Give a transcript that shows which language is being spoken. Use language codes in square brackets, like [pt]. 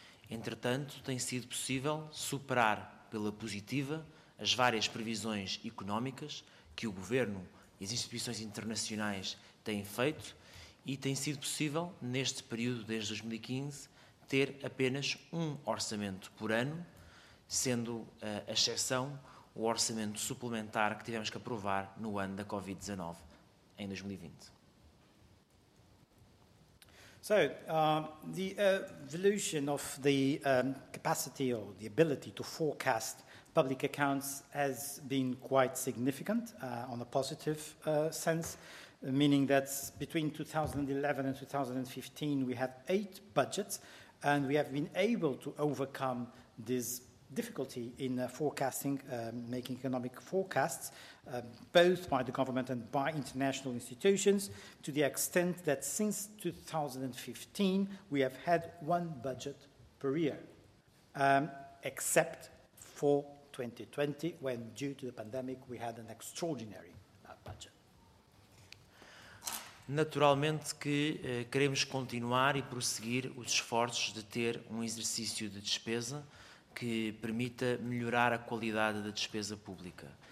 [pt] Entretanto, tem sido possível superar pela positiva as várias previsões económicas que o Governo e as instituições internacionais têm feito e tem sido possível, neste período desde 2015, ter apenas um orçamento por ano, sendo a exceção o orçamento suplementar que tivemos que aprovar no ano da Covid-19, em 2020. [en] So the evolution of the capacity or the ability to forecast public accounts has been quite significant on a positive sense, meaning that between 2011 and 2015 we had 8 budgets, and we have been able to overcome this difficulty in forecasting, making economic forecasts, both by the government and by international institutions, to the extent that since 2015 we have had 1 budget per year, except for 2020, when due to the pandemic we had an extraordinary budget. [pt] Naturalmente que queremos continuar e prosseguir os esforços de ter um exercício de despesa que permita melhorar a qualidade da despesa pública.